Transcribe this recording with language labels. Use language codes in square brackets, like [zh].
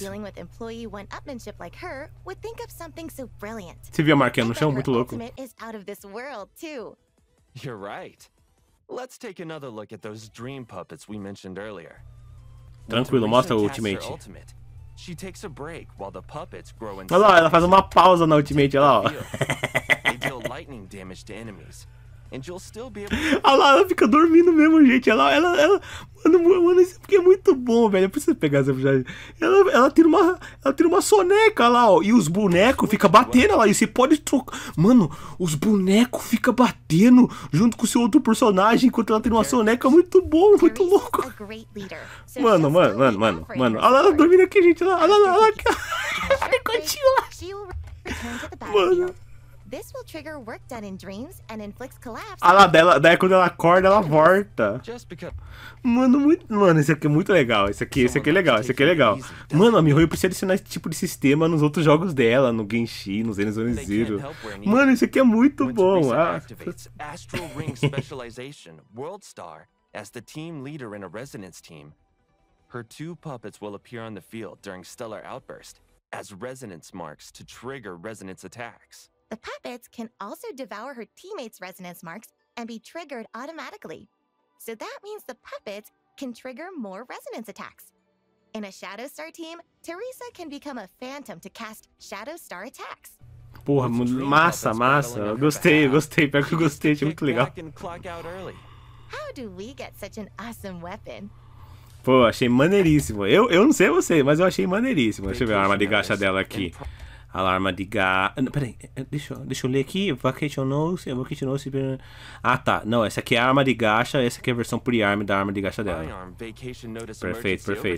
[en] Dealing with employee one-upmanship like her would think of something so brilliant. [pt] Se viu a marquinha no chão, muito louco. [en] Ultimate is out of this world too. You're right. Let's take another look at those dream puppets we mentioned earlier. [pt] Tranquilo, mostra o ultimate. Ultimate. [en] She takes a break while the puppets grow in. [pt] Olha lá, ela faz uma pausa na ultimate, olha lá. [en] They deal lightning damage to enemies. And you'll still be able. [pt] Olha lá, ela fica dormindo mesmo, gente. Mano, isso aqui é muito bom, velho. Eu preciso pegar essa personagem. Ela tira uma soneca, olha lá, ó. E os bonecos ficam batendo, olha lá. E você pode trocar. Mano, os bonecos ficam batendo junto com o seu outro personagem enquanto ela tira uma soneca. Muito bom, muito louco. Mano. Olha lá, ela dormindo aqui, gente. Olha lá, olha lá. Mano. [en] This will trigger work done in dreams and inflicts collapse. [pt] Ah lá, daí quando ela acorda, ela volta. Mano, isso aqui é muito legal. Isso aqui é legal. Mano, a Mihoyo precisa adicionar esse tipo de sistema nos outros jogos dela, no Genshin, no Xenon Zero. Mano, isso aqui é muito bom. [en] Astral Ring Specialization, World Star, as the team leader in a resonance team. Her two puppets will appear on the field during stellar outburst as resonance marks to trigger resonance attacks. The puppets can also devour her teammates' resonance marks and be triggered automatically. So that means the puppets can trigger more resonance attacks. In a Shadow Star team, Teresa can become a phantom to cast Shadow Star attacks. [pt] Porra, massa. Gostei. Pior que eu gostei, achei muito legal. [en] How do we get such an awesome weapon? [pt] Pô, achei maneiríssimo. Eu não sei você, mas eu achei maneiríssimo. Deixa eu ver a arma de gacha dela aqui. Alarma de gás. Peraí, deixa eu ler aqui. Vacation Nose. Ah, tá. Não, essa aqui é a arma de gacha. Essa aqui é a versão pre-arm da arma de gacha dela. Perfeito.